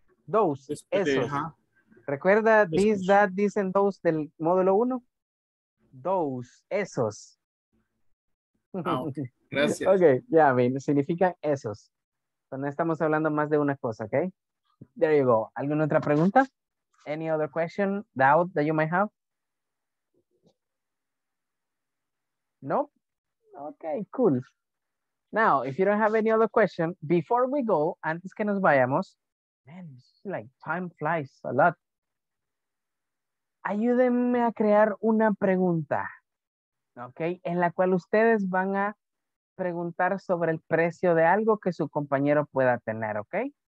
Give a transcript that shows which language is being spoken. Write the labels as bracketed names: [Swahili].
[Spanish] Those, después eso. De, ¿recuerda [English] this, that, this and those [Spanish] del módulo 1? Those, esos. Oh, gracias. [English] Okay, yeah, I mean, [Spanish] significan esos. Pero no estamos hablando más de una cosa, okay? [English] There you go. [Spanish] ¿Alguna otra pregunta? [English] Any other question, doubt that you might have? No? Okay, cool. Now, if you don't have any other question, before we go, [Spanish] antes que nos vayamos, [English] man, this is like time flies a lot. [Spanish] Ayúdenme a crear una pregunta, okay, en la cual ustedes van a preguntar sobre el precio de algo que su compañero pueda tener, okay?